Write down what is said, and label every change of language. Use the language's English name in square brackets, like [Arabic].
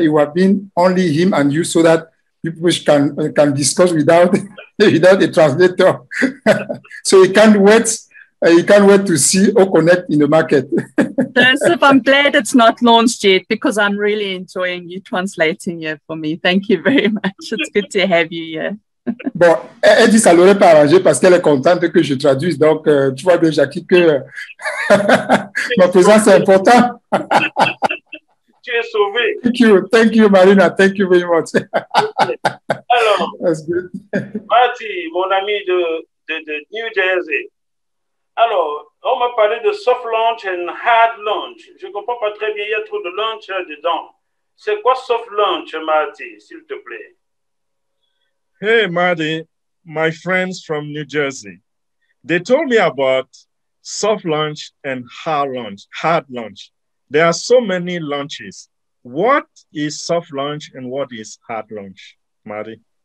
[English] It would have been only him and you so that people can discuss without a translator. So you can't wait to see O-Connect in the market. Joseph, I'm glad it's not launched yet because I'm really enjoying you translating here for me. Thank you very much. It's good to have you here. [French] Bon, elle dit que ça ne l'aurait pas arrangé parce qu'elle est contente que je traduise. Donc, tu vois bien, Jackie, que ma présence est importante. Tu es sauvé. [English] Thank you, Marina. Thank you very much. [French] Alors, [English] that's good. [French] Marty, mon ami de New Jersey. Alors, on m'a parlé de [English] soft launch and hard launch. [French] Je ne comprends pas très bien, il y a trop de launch dedans. C'est quoi soft launch, Marty, s'il te plaît? [English] Hey, Marty, my friends from New Jersey. They told me about soft launch, and hard launch. Hard launch. There are so many launches. What is soft launch and what is hard launch, Mari?